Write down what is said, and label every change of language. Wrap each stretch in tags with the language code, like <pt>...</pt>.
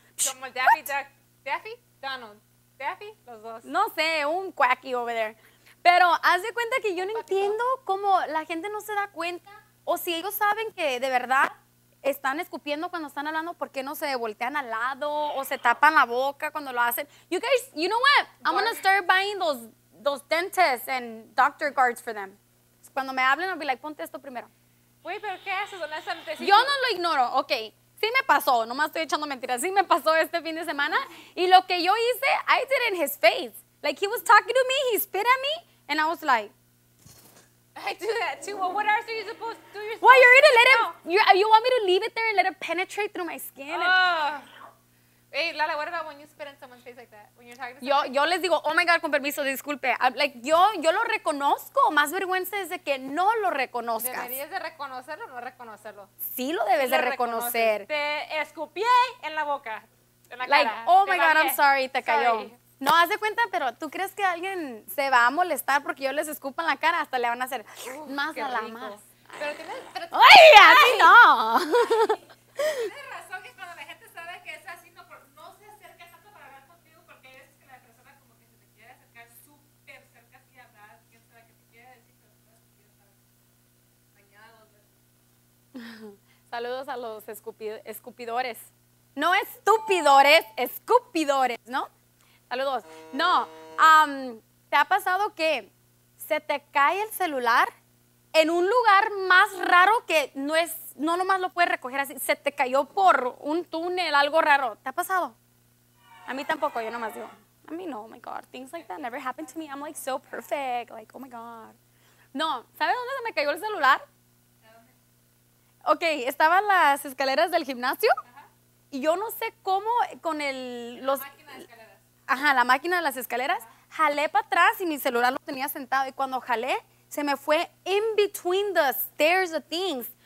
<es>Como Daffy, los dos. No sé, un</es> <en>quacky over there.</en> <es>Pero haz de cuenta que yo no entiendo cómo la gente no se da cuenta o si ellos saben que de verdad están escupiendo cuando están hablando, ¿por qué no se voltean al lado o se tapan la boca cuando lo hacen?</es> <en>You guys, you know what? I'm going to start buying those dentists and doctor guards for them.</en> <es>Cuando me hablen,</es> <en>I'll be like,</en> <es>ponte esto primero. Güey, ¿pero qué haces? Honestamente, yo no lo ignoro. Ok, sí me pasó. Nomás estoy echando mentiras. Sí me pasó este fin de semana. Y lo que yo hice,</es> <en>I did in his face. Like, he was talking to me, he spit at me, and I was like, I do that too. Well, what else are you supposed to do? You're supposed you want me to leave it there and let it penetrate through my skin? Hey, Lala, what about when you spit in someone's face like that? When you're talking to someone?</en> <es>Yo les digo,</es> <en>oh my God,</en> <es>con permiso, disculpe.</es> <en>I'm like,</en> <es>yo lo reconozco. Más vergüenza es de que no lo reconozcas. ¿Deberías de reconocerlo o no reconocerlo? Sí lo debes de reconocer. Te escupí en la boca, en la</es> <en>like,</en> <es>cara.</es> <en>Oh my God, I'm sorry,</en> <es>te cayó. No, haz de cuenta, pero ¿tú crees que alguien se va a molestar porque yo les escupo en la cara? Hasta le van a hacer más a la rico. Más. Pero tienes... ¡Ay, a ti no! Tienes razón que cuando la gente sabe que es así, no, no se acerca tanto para hablar contigo porque es que la persona como que se te quiere acercar súper cerca a ti a hablar, que es la que te quiere decir, pero no es que quiere estar dañado. Saludos a los escupidores. No estúpidores, escupidores, ¿no? Saludos. No, ¿te ha pasado que se te cae el celular en un lugar más raro que no nomás lo puedes recoger así? Se te cayó por un túnel, algo raro. ¿Te ha pasado? A mí tampoco, yo nomás digo. A mí no,</es> <en>oh my God, things like that never happened to me. I'm like so perfect, like, oh my God.</en> <es>No, ¿sabes dónde se me cayó el celular? Ok, estaba en las escaleras del gimnasio. Ajá. Y yo no sé cómo con el... la máquina de las escaleras, jalé para atrás y mi celular lo tenía sentado. Y cuando jalé, se me fue</es> <en>in between the stairs of things.</en>